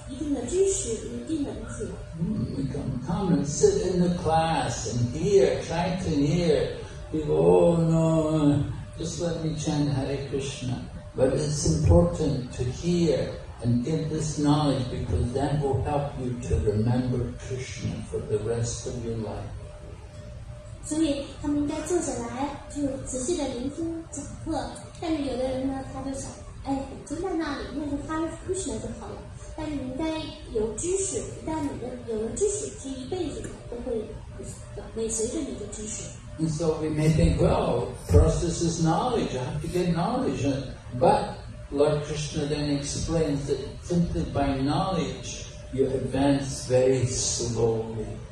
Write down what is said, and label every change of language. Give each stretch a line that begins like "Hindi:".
Chinese: 所以呢，最重要的在Krishna这些当中最重要的是，希望人们来到这里呢，他们应该有一定的知识，有一定的理解。
English: We can come and sit in the class and hear, try to hear. People, oh no, just let me chant Hare Krishna. But it's important to hear and get this knowledge because that will help you to remember Krishna for the rest of your life.
Chinese: 所以他们应该坐下来就仔细地聆听讲课，但是有的人呢，他就想，哎，就在那里，那就发了Krishna就好了。但是你应该有知识，一旦你有了知识，这一辈子都会伴随着你的知识。
English: And so we may think, well, process is knowledge. I have to get knowledge. But Lord Krishna then explains that simply by knowledge you advance very slowly.